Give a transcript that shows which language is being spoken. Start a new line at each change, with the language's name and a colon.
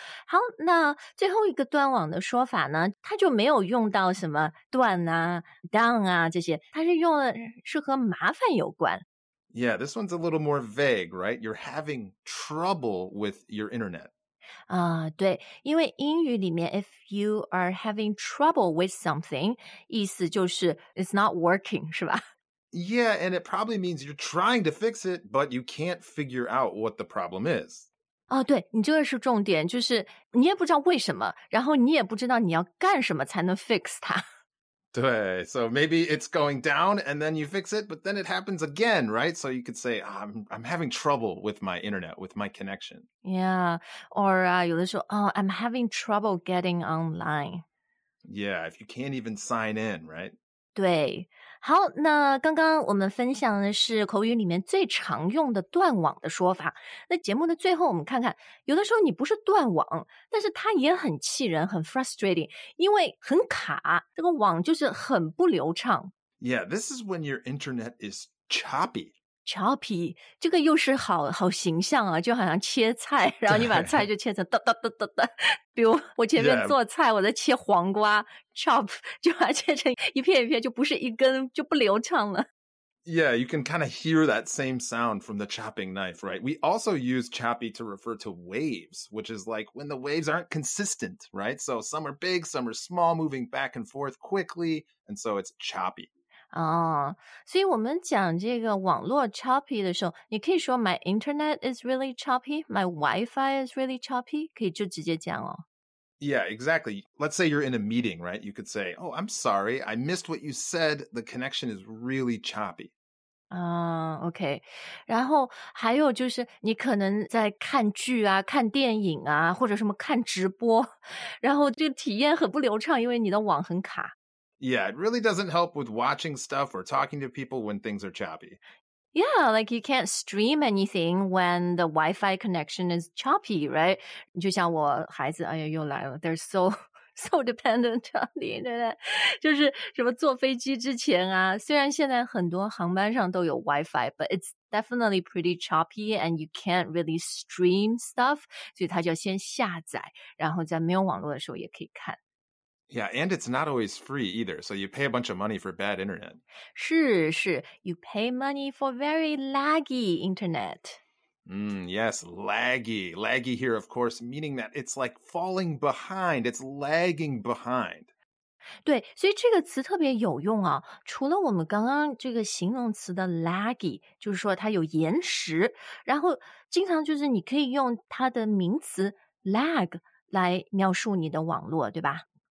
Chinese: 好,那最后一个断网的说法呢,它就没有用到什么断啊, down 啊这些,它是用的是和麻烦有关。
English: Yeah, this one's a little more vague, right? You're having trouble with your internet.
Chinese: 对，因为英语里面
English: if you are having trouble with something,
Chinese: 意思就是
English: it's not working,
Chinese: 是吧？
English: Yeah, and it probably means you're trying to fix it, but you can't figure out what the problem is.
Chinese: 对，你这个是重点，就是你也不知道为什么，然后你也不知道你要干什么才能 fix 它。
English: 对 so maybe it's going down and then you fix it, but then it happens again, right? So you could say, I'm having trouble with my internet, with my connection. Yeah, or
Chinese: 有的时候
English: I'm having trouble getting online. Yeah, if you can't even sign in, right?
Chinese: 对好那刚刚我们分享的是口语里面最常用的断网的说法。那节目的最后我们看看有的时候你不是断网但是它也很气人很 frustrating, 因为很卡这个网就是很不流畅。
English: Yeah, this is when your internet is choppy.
Chinese: Choppy, 这个又是好形象啊就好像切菜然后你把菜就切成哒哒哒哒哒。比如我前面做菜、
English: yeah.
Chinese: 我在切黄瓜 chop 就把它切成一片一片就不是一根就不流畅了。
English: Yeah, you can kind of hear that same sound from the chopping knife, right? We also use choppy to refer to waves, which is like when the waves aren't consistent, right? So some are big, some are small, moving back and forth quickly, and so it's choppy.
Chinese: 所以我们讲这个网络 choppy 的时候你可以说
English: my internet is really choppy,
Chinese: my Wi-Fi is really choppy, 可以就直接讲哦。
English: Yeah, exactly. Let's say you're in a meeting, right? You could say, oh, I'm sorry, I missed what you said, the connection is really choppy. Okay.
Chinese: 然后还有就是你可能在看剧啊看电影啊或者什么看直播然后这个体验很不流畅因为你的网很卡。
English: Yeah, it really doesn't help with watching stuff or talking to people when things are choppy. Yeah, like you can't stream anything when the Wi-Fi connection is choppy, right?
Chinese: 就像我孩子，哎呀，又来了。
English: They're so dependent on the internet.
Chinese: 就是什么坐飞机之前啊，虽然现在很多航班上都有
English: Wi-Fi, but it's definitely pretty choppy and you can't really stream stuff.
Chinese: 所以他就要先下载，然后在没有网络的时候也可以看。
English: Yeah, and it's not always free either, so you pay a bunch of money for bad internet. 是是 you pay money for very laggy internet. Yes, laggy. Laggy here, of course, meaning that it's like falling behind, it's lagging behind.
Chinese: 对,所以这个词特别有用啊,除了我们刚刚这个形容词的 laggy, 就是说它有延迟,然后经常就是你可以用它的名词 lag 来描述你的网络,对吧?